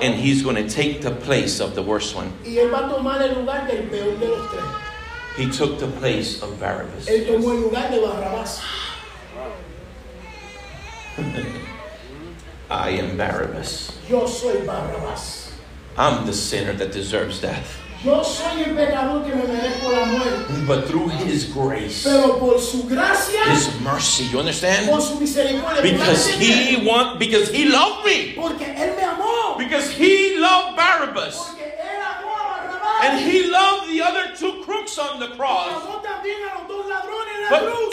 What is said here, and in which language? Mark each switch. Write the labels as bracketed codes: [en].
[en] And he's going to take the place of the worst one. [es] Y él va a tomar el lugar del peor de los tres. [en] He took the place of Barabbas. [es] Él tomó el lugar de Barabbas. [en] I am Barabbas. [es] Yo soy Barabbas. [en] I'm the sinner that deserves death. [es] Yo soy el pecador que me merezco la muerte. [en] But through his grace. [es] Pero por su gracia. [en] His mercy, you understand? [es] Por su misericordia. [en] Because he loved me. [es] Porque él me amó. [en] Because he loved Barabbas. [es] Porque él amó a Barabbas. [en] And he loved the other two crooks on the cross. [es] Y amó también a los dos ladrones en la cruz.